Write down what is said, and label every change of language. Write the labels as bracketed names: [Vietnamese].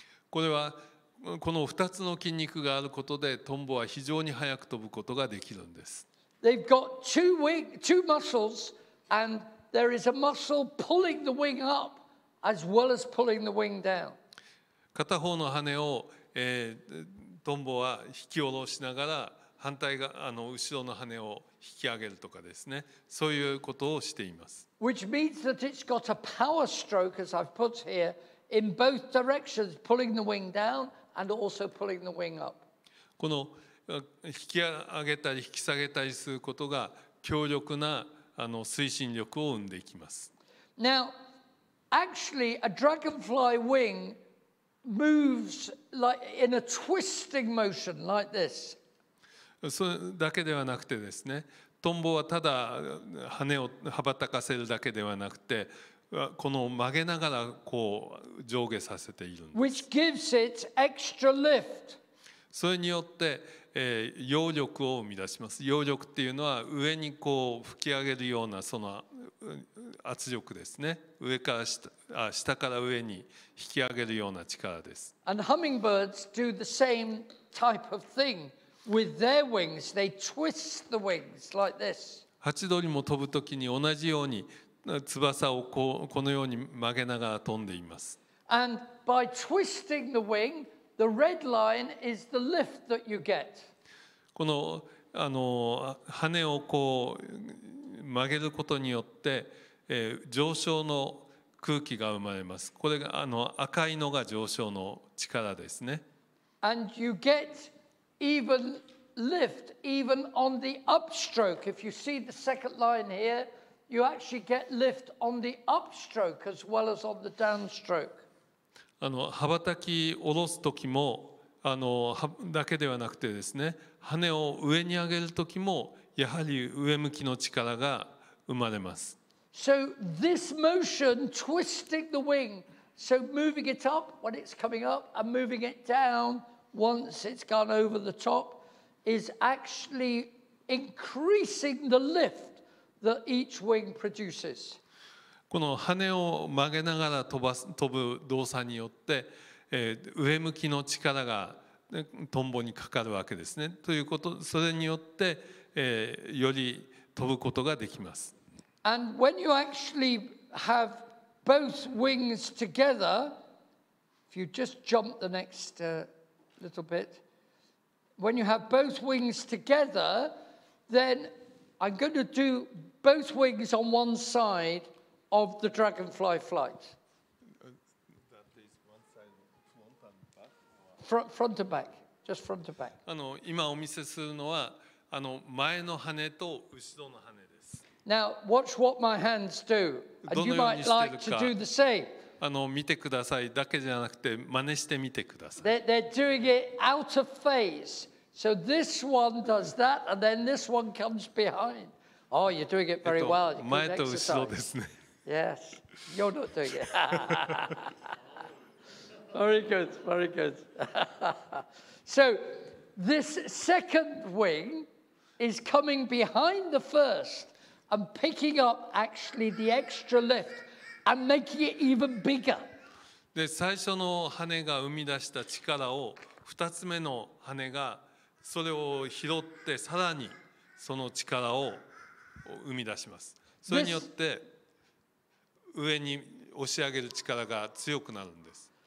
[Japanese] これはこの2つの筋肉があることでトンボは非常に速く飛ぶことができるんです。 [English] They've got two muscles and there is a muscle pulling the wing up as well as pulling the wing down. [Japanese] 片方の羽を、トンボは引き下ろしながら反対側後ろの羽を引き上げるとかですね、そういうことをしています。 [English] Which means that it's got a power stroke, as I've put here, in both directions, pulling the wing down and also pulling the wing up. [Japanese] この引き上げたり引き下げたりすることが強力な推進力を生んでいきます。 [English] Now, actually, a dragonfly wingmoves like in a twisting motion like this. [Japanese] それだけではなくてですね、トンボはただ羽を羽ばたかせるだけではなくて、この曲げながらこう上下させているんです。 [English] Which gives it extra lift. [Japanese] それによって、揚力を生み出します。揚力っていうのは上にこう吹き上げるようなその圧力ですね。上から下から上に引き上げるような力です。 [English] And hummingbirds do the same type of thing with their wings. They twist the wings like this. [Japanese] ハチドリも飛ぶときに同じように翼を このように曲げながら飛んでいます。 [English] And by twisting the wing, the red line is the lift that you get. [Japanese] この羽をこう曲げることによって、上昇の空気が生まれます。これが赤いのが上昇の力ですね。 [English] And you get even lift even on the upstroke. If you see the second line here, you actually get lift on the upstroke as well as on the downstroke. [Japanese] 羽ばたき下ろす時もだけではなくてですね、羽を上に上げる時もやはり上向きの力が生まれます。 [English] So this motion, twisting the wing, so moving it up when it's coming up and moving it down once it's gone over the top, is actually increasing the lift that each wing produces. [Japanese] この羽を曲げながら飛ぶ動作によって、上向きの力がトンボにかかるわけですね。ということ、それによって、より飛ぶことができます。 [English] And when you actually have both wings together, if you just jump the next little bit, when you have both wings together, then I'm going to do both wings on one side of the dragonfly flight. That is one side, front and back? Front and back, just front and back. [Japanese] 今お見せするのは前の羽と後ろの羽。 [English] Now watch what my hands do, and you might like to do the same. [Japanese] 見てくださいだけじゃなくて真似してみてください。 [English] They're doing it out of phase. So this one does that, and then this one comes behind. Oh, you're doing it very well. [Japanese] 前と後ろですね。 [English] Yes, you're not doing it. Very good, very good. So this second wing is coming behind the first. And picking up actually the extra lift and making it even bigger. [Japanese] で、最初の羽が生み出した力を二つ目の羽がそれを拾ってさらにその力を生み出します。それによって上に押し上げる力が強くなるんです。